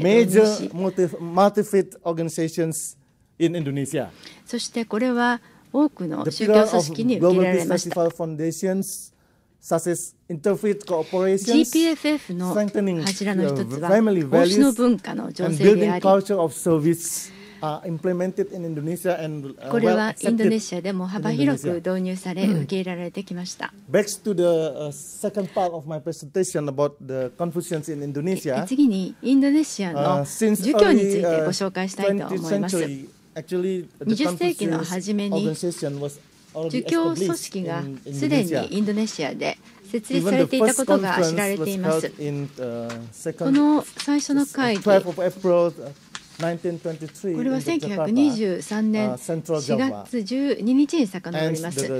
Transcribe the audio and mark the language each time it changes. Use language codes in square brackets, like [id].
[en] Major multi-faith organizations in Indonesia. [ja] そしてこれは多くの宗教組織に受け入れられました。 [en] Such as interfaith cooperation, [ja] GPFF の柱の一つは、奉仕の文化の醸成であり、 [en] culture of service implemented in Indonesia and well accepted. [ja] これはインドネシアでも幅広く導入され受け入れられてきました。 [en] Back to the second part of my presentation about the Confucians in Indonesia. [ja] 次にインドネシアの儒教についてご紹介したいと思います。 [en] Actually, [ja] the 20世紀の初めに儒教組織がすでにインドネシアで設立されていたことが知られています。この最初の会議、これは1923年4月12日に遡ります。